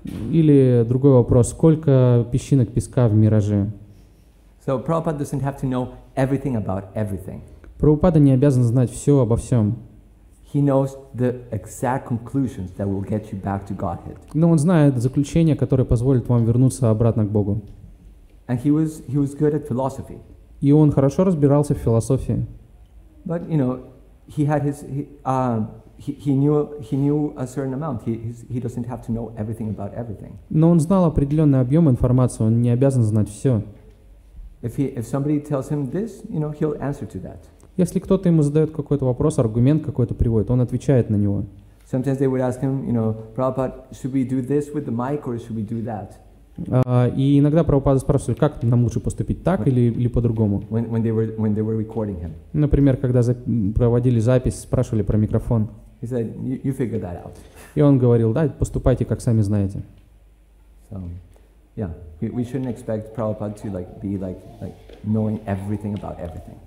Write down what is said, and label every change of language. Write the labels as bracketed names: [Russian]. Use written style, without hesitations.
[Russian] Или другой вопрос, сколько песчинок песка в мираже? [English] So Prabhupada doesn't have to know everything about everything. [Russian] Прабхупада не обязан знать все обо всем. [English] He knows the exact conclusions that will get you back to Godhead. [Russian] Но он знает заключение, которое позволит вам вернуться обратно к Богу. [English] And he was good at philosophy. [Russian] И он хорошо разбирался в философии. [English] But you know, he had his He knew a certain amount. He doesn't have to know everything about everything. [Russian] Но он знал определенный объем информации. Он не обязан знать все. [English] If somebody tells him this, you know, he'll answer to that. [Russian] Если кто-то ему задает какой-то вопрос, аргумент какой-то приводит, он отвечает на него. [English] Sometimes they would ask him, you know, Prabhupada, should we do this with the mic or should we do that? [Russian] И иногда Прабхупада спрашивает, как нам лучше поступить, так или по-другому. [English] When they were recording him. [Russian] Например, когда проводили запись, спрашивали про микрофон. [English] He said, you figure that out. [Russian] И он говорил, да, поступайте, как сами знаете. [English] So, yeah, we shouldn't expect Prabhupada to like be like knowing everything about everything.